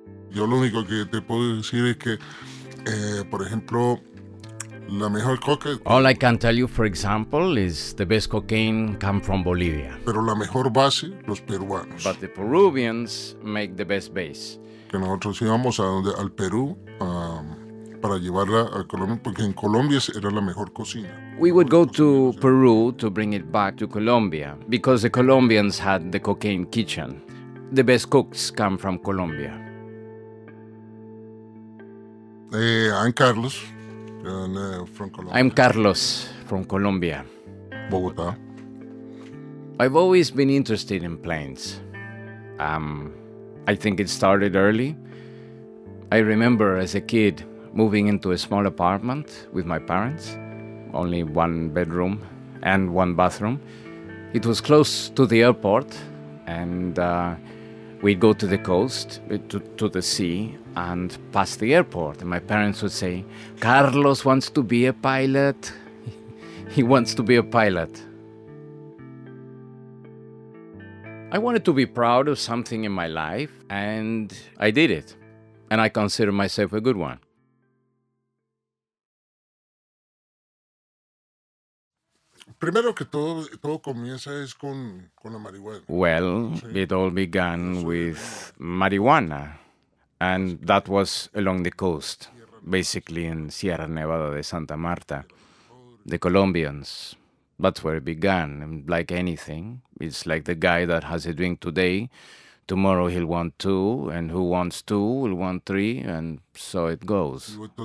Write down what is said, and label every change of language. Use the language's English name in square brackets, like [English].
[Spanish] Yo lo único que te puedo decir es que, por ejemplo, la mejor coca. [English] All I can tell you, for example, is the best cocaine come from Bolivia. [Spanish] Pero la mejor base, los peruanos. [English] But the Peruvians make the best base. [Spanish] Que nosotros íbamos al Perú para llevarla a Colombia, porque en Colombia era la mejor cocina. [English] We would go to Peru to bring it back to Colombia because the Colombians had the cocaine kitchen. The best cooks come from Colombia. I'm Carlos from Colombia. I'm Carlos from Colombia. Bogota. I've always been interested in planes. I think it started early. I remember as a kid moving into a small apartment with my parents. Only one bedroom and one bathroom. It was close to the airport, and we'd go to the coast, to the sea, and past the airport. And my parents would say, Carlos wants to be a pilot. He wants to be a pilot. I wanted to be proud of something in my life, and I did it. And I consider myself a good one. [Spanish] Primero que todo comienza es con la marihuana. [English] Well, it all began with marijuana, and that was along the coast, basically in Sierra Nevada de Santa Marta. The Colombians, that's where it began. And like anything, it's like the guy that has a drink today, tomorrow he'll want two, and who wants two will want three, and so it goes.